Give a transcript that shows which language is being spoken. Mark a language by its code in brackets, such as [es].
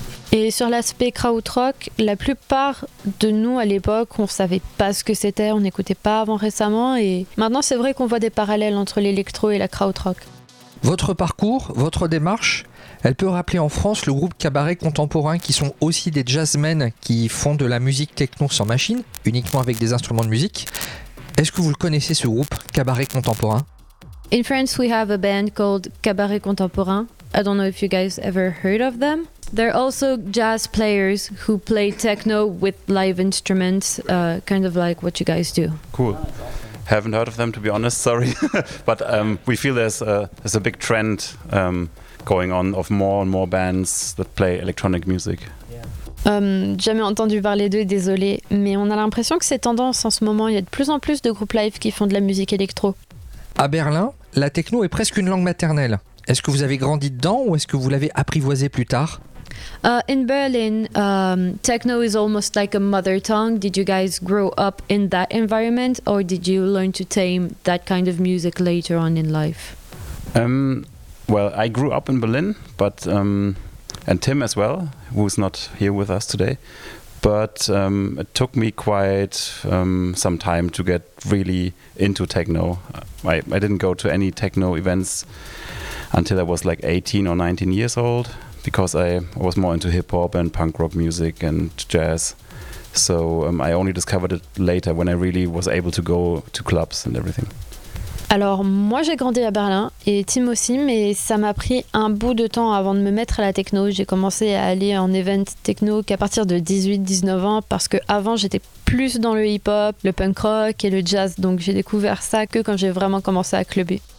[fr] Et sur l'aspect krautrock, la plupart de nous à l'époque, on savait pas ce que c'était, on n'écoutait pas avant récemment, et maintenant c'est vrai qu'on voit des parallèles entre l'électro et la krautrock. Votre parcours, votre démarche, elle peut rappeler en France le groupe Cabaret Contemporain, qui sont aussi des jazzmen qui font de la musique techno sans machine, uniquement avec des instruments de musique. Est-ce que vous le connaissez ce groupe, Cabaret Contemporain? [en] In France, we have a band called Cabaret Contemporain. I don't know if you guys ever heard of them. They're also jazz players who play techno with live instruments, kind of like what you guys do. Cool. Oh, awesome. Haven't heard of them, to be honest, sorry. But we feel there's a big trend going on of more and more bands that play electronic music. [fr] Jamais entendu parler d'eux, désolé, mais on a l'impression que c'est tendance en ce moment, il y a de plus en plus de groupes live qui font de la musique électro. À Berlin, la techno est presque une langue maternelle. Est-ce que vous avez grandi dedans ou est-ce que vous l'avez apprivoisé plus tard? [en] In Berlin, techno is almost like a mother tongue. Did you guys grow up in that environment or did you learn to tame that kind of music later on in life? Well, I grew up in Berlin, but and Tim as well, who's not here with us today. But it took me quite some time to get really into techno. I didn't go to any techno events until I was like 18 or 19 years old, because I was more into hip hop and punk rock music and jazz. So I only discovered it later when I really was able to go to clubs and everything. [fr] Alors moi j'ai grandi à Berlin et Tim aussi, mais ça m'a pris un bout de temps avant de me mettre à la techno. J'ai commencé à aller en event techno qu'à partir de 18-19 ans, parce que avant j'étais plus dans le hip-hop, le punk rock et le jazz, donc j'ai découvert ça que quand j'ai vraiment commencé à clubber.